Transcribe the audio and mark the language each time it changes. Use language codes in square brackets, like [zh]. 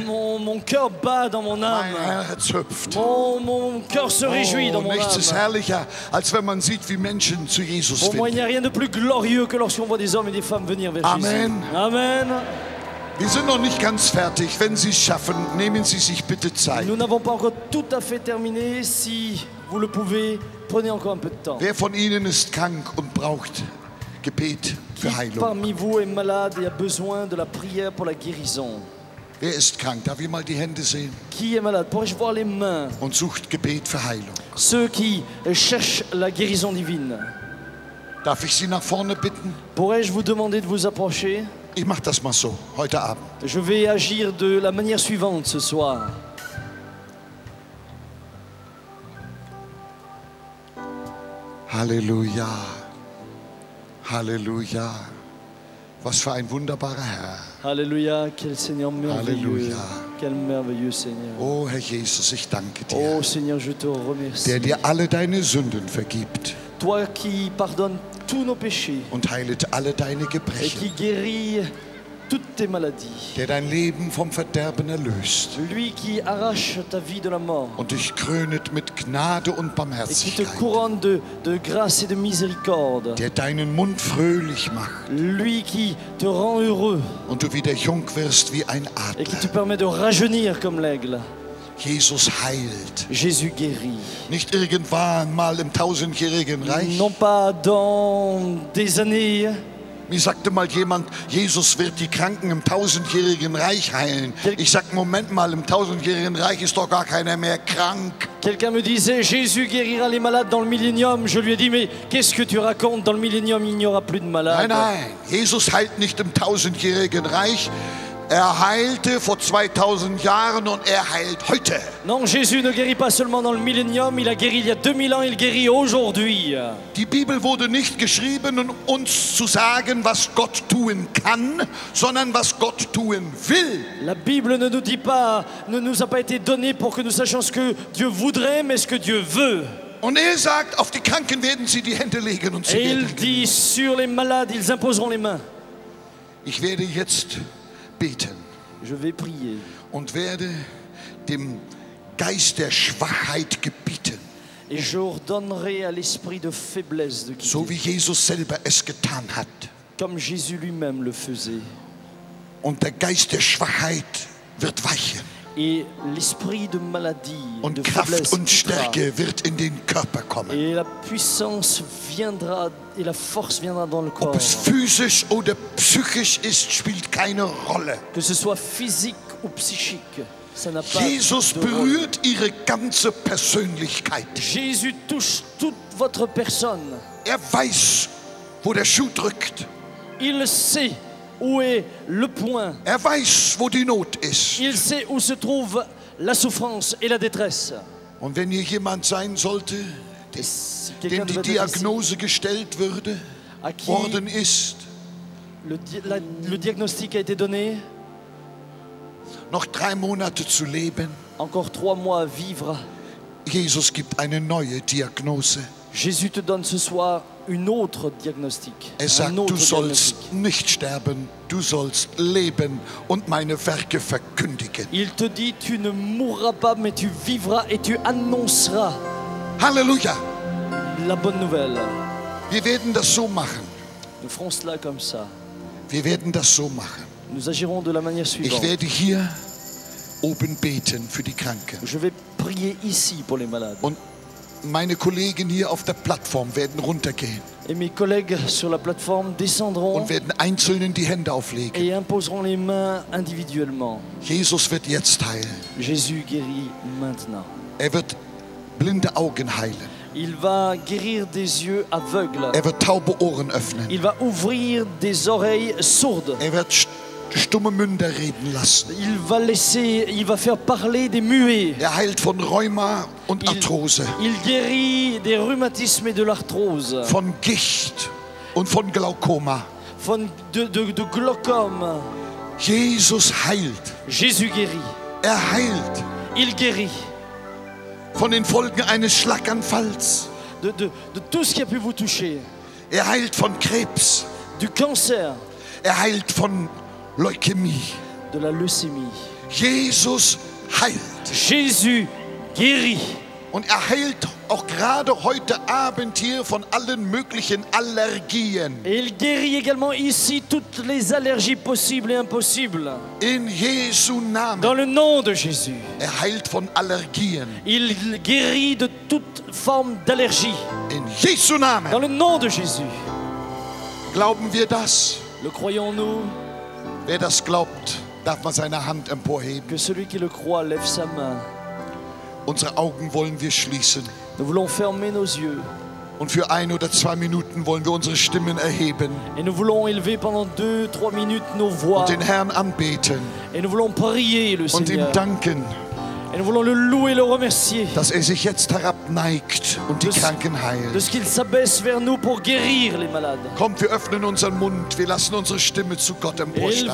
[fr] Mon cœur bat dans mon âme. [de] Mein Herz hüpft. [fr] Mon cœur se réjouit dans mon âme. [de] Nichts ist herrlicher, als wenn man sieht, wie Menschen zu Jesus finden. [fr] Pour moi, il n'y a rien de plus glorieux que lorsqu'on voit des hommes et des femmes venir vers Jésus. Amen. Amen. [de] Wir sind noch nicht ganz fertig. Wenn Sie es schaffen, nehmen Sie sich bitte Zeit. [fr] Nous n'avons pas encore tout à fait terminé. Si vous le pouvez, prenez encore un peu de temps. [de] Wer von Ihnen ist krank und braucht Gebet für Heilung? [fr] Qui parmi vous est malade et a besoin de la prière pour la guérison? [de] Wer ist krank? Darf ich mal die Hände sehen? [fr] Qui est malade? Pourrais-je voir les mains? [de] Und sucht Gebet für Heilung. [fr] Ceux qui cherchent la guérison divine. [de] Darf ich Sie nach vorne bitten? [fr] Pourrais-je vous demander de vous approcher? [de] Ich mache das mal so, heute Abend. [fr] Je vais agir de la manière suivante ce soir. Halleluja. Halleluja. [de] Was für ein wunderbarer Herr. [fr] Halleluja, quel Seigneur merveilleux. Halleluja. Quel merveilleux Seigneur. [de] Oh, Herr Jesus, ich danke dir. [fr] Oh, Seigneur, je te remercie. [de] Der dir alle deine Sünden vergibt. [fr] Toi qui pardonne tous nos péchés. [de] Und heilet alle deine Gebrechen. [fr] Et qui guérit toutes tes maladies. [de] Der dein Leben vom Verderben erlöst. [fr] Lui qui arrache ta vie de la mort. [de] Und dich krönet mit Gnade und Barmherzigkeit. [fr] Et qui te couronne de grâce et de miséricorde. [de] Der deinen Mund fröhlich macht. [fr] Lui qui te rend heureux. [de] Und du wieder jung wirst wie ein Adler. [fr] Et qui te permet de rajeunir comme l'aigle. [de] Jesus heilt. [fr] Jésus guérit. [de] Nicht irgendwann mal im tausendjährigen Reich. [fr] Non pas dans des années. [de] Mir sagte mal jemand, Jesus wird die Kranken im tausendjährigen Reich heilen. Ich sag, Moment mal, im tausendjährigen Reich ist doch gar keiner mehr krank. [fr] Quelqu'un me disait, Jésus guérira les malades dans le millénium. Je lui ai dit, mais qu'est-ce que tu racontes? Dans le millénium, il n'y aura plus de malades. [de] Nein, nein, Jesus heilt nicht im tausendjährigen Reich. Er heilte vor 2000 Jahren und er heilt heute. [fr] Non, Jésus ne guérit pas seulement dans le millénium, il a guéri il y a 2000 ans, il guérit aujourd'hui. [de] Die Bibel wurde nicht geschrieben, um uns zu sagen, was Gott tun kann, sondern was Gott tun will. [fr] La Bible ne nous dit pas, ne nous a pas été donnée pour que nous sachions ce que Dieu voudrait, mais ce que Dieu veut. [de] Und er sagt, auf die Kranken werden sie die Hände legen und sie werden gesund. [fr] Et il dit sur les malades, ils imposeront les mains. [de] Ich werde jetzt beten. [fr] Je vais prier. [de] Und werde dem Geist der Schwachheit gebieten. [fr] Et je ordonnerai à l'esprit de faiblesse de quitter. [de] So wie Jesus selber es getan hat. [fr] Comme Jésus lui-même le faisait. [de] Und der Geist der Schwachheit wird weichen. [fr] Et l'esprit de maladie [de] und [fr] de [de] Kraft [fr] faiblesse [de] und Stärke wird in den Körper kommen. [fr] Et la puissance viendra et la force viendra dans le corps. [de] Ob es physisch oder psychisch ist, spielt keine Rolle. [fr] Que ce soit physique ou psychique, ça n'a pas [de] Jesus [fr] de [de] berührt [fr] rôle. [de] Ihre ganze Persönlichkeit. [fr] Jésus touche toute votre personne. [de] Er weiß, wo der Schuh drückt. [fr] Il sait où est le point. [de] Er weiß, wo die Not ist. [fr] Il sait où se trouve la souffrance et la détresse. [de] Und wenn hier jemand sein sollte, dem die Diagnose gestellt würde, worden ist, [fr] le diagnostic a été donné, [de] noch 3 Monate zu leben, [fr] encore 3 mois à vivre, [de] Jesus gibt eine neue Diagnose. [fr] Jésus te donne ce soir une autre diagnostic. [de] Er sagt, du sollst nicht sterben, du sollst leben und meine Werke verkündigen. [fr] Il te dit, tu ne mourras pas, mais tu vivras et tu annonceras. Halleluja. La bonne nouvelle. [de] Wir werden das so machen. [fr] Nous ferons cela comme ça. [de] Wir werden das so machen. [fr] Nous agirons de la manière suivante. [de] Ich werde hier oben beten für die Kranken. [fr] Je vais prier ici pour les malades. [de] Und meine Kollegen hier auf der Plattform werden runtergehen. [fr] Et mes collègues sur la plateforme descendront [de] und werden einzelnen die Hände auflegen. [fr] Et imposeront les mains individuellement. [de] Jesus wird jetzt heilen. [fr] Jésus guérit maintenant. [de] Er wird blinde Augen heilen. [fr] Il va guérir des yeux aveugles. [de] Er wird taube Ohren öffnen. [fr] Il va ouvrir des oreilles sourdes. [de] Er wird stumme Münder reden lassen. [fr] Il va faire parler des muets. [de] Er heilt von Rheuma und Arthrose. [fr] Il guérit des rhumatismes et de l'arthrose. [de] Von Gicht und von Glaukoma. Von [fr] de glaucome. [de] Jesus heilt. [fr] Jésus guérit. [de] Er heilt. [fr] Il guérit. [de] Von den Folgen eines Schlaganfalls. [fr] De tout ce qui a pu vous toucher. [de] Er heilt von Krebs. [fr] Du cancer. [de] Er heilt von Leukämie. [fr] De la leucémie. [de] Jesus heilt. [fr] Jésus guérit. [de] Und er heilt auch gerade heute Abend hier von allen möglichen Allergien. [fr] Et il guérit également ici toutes les allergies possibles et impossibles. [de] In Jesu Namen. [fr] Dans le nom de Jésus. [de] Er heilt von Allergien. [fr] Il guérit de toute forme d'allergie. [de] In Jesu Namen. [fr] Dans le nom de Jésus. [de] Glauben wir das? [fr] Le croyons-nous? [de] Wer das glaubt, darf man seine Hand emporheben. [fr] Que celui qui le croit lève sa main. [de] Unsere Augen wollen wir schließen. [fr] Nous voulons fermer nos yeux. [de] Und für 1 oder 2 Minuten wollen wir unsere Stimmen erheben. [fr] Et nous voulons élever pendant 2-3 minutes nos voix. [de] Und den Herrn anbeten. [fr] Et nous voulons prier le [de] Und [fr] Seigneur. [de] Ihm danken. [fr] Et nous voulons le louer, le remercier. [de] Dass er sich jetzt herabneigt und die Kranken heilt. [fr] De ce qu'il s'abaisse vers nous pour guérir les malades. [de] Kommt, wir öffnen unseren Mund, wir lassen unsere Stimme zu Gott emporsteigen.